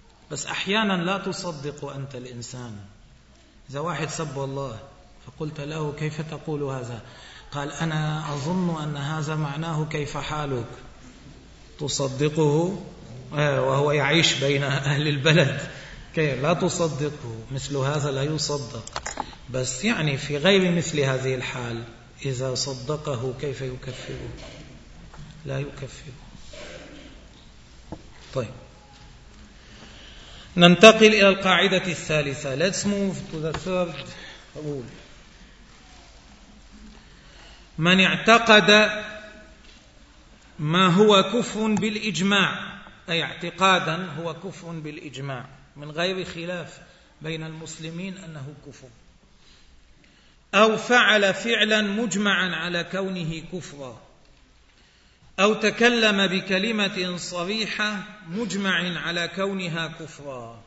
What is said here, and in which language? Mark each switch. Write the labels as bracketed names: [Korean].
[Arabic] بس أحيانا لا تصدق أنت الإنسان. إذا واحد سب الله فقلت له كيف تقول هذا؟ قال أنا أظن أن هذا معناه كيف حالك؟ تصدقه وهو يعيش بين أهل البلد؟ كيف لا تصدقه؟ مثل هذا لا يصدق. بس يعني في غير مثل هذه الحال إذا صدقه كيف يكفره؟ لا يكفره. طيب، ننتقل إلى القاعدة الثالثة. [English] Let's move to the third rule. [Arabic] من اعتقد ما هو كفر بالإجماع، أي اعتقادا هو كفر بالإجماع من غير خلاف بين المسلمين أنه كفر، أو فعل فعلا مجمعا على كونه كفرا، أو تكلم بكلمة صريحة مجمع على كونها كفرا.